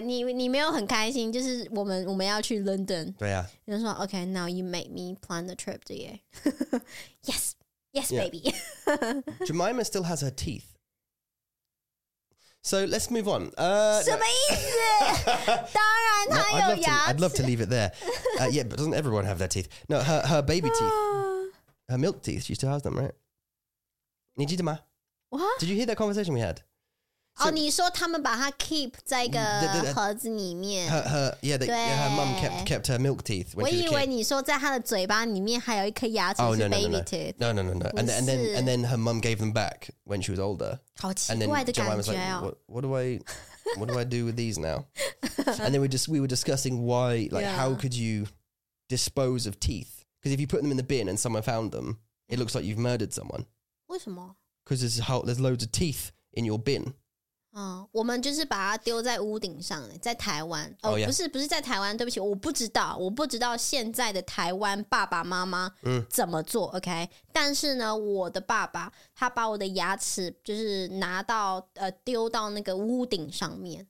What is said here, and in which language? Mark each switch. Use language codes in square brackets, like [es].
[zh] 你没有很开心, 就是我们要去伦敦。对啊。你就说, [en] okay, now you make me plan the trip, do you? Yes, yes, baby. Jemima still has her teeth. So let's move on. [zh] 什么意思？当然她有牙齿。 [en] I'd love to leave it there. Yeah, but doesn't everyone have their teeth? No, her baby teeth. Her milk teeth, she still has them, right? [zh] 你记得吗? [en] What? Did you hear that conversation we had? [zh] So, oh, 你说他们把她 keep 在一个盒子里面。 [en] Her mum kept her milk teeth when she was a kid. [zh] 我以为你说在她的嘴巴里面还有一颗牙齿是 baby teeth. [en] No. And then her mum gave them back when she was older. [zh] 好奇怪的感觉哦。 [en] And then Jemima was like, what do I do with these now? And then we were discussing why, like, how could you dispose of teeth? Because if you put them in the bin and someone found them, it looks like you've murdered someone. [zh] 为什么? [en] Because there's loads of teeth in your bin. [zh] 哦、我们就是把它丢在屋顶上在台湾、 [en] oh, yeah. [zh] 不是在台湾对不起我不知道现在的台湾爸爸妈妈怎么做、OK 但是呢我的爸爸他把我的牙齿就是拿到丢到那个屋顶上面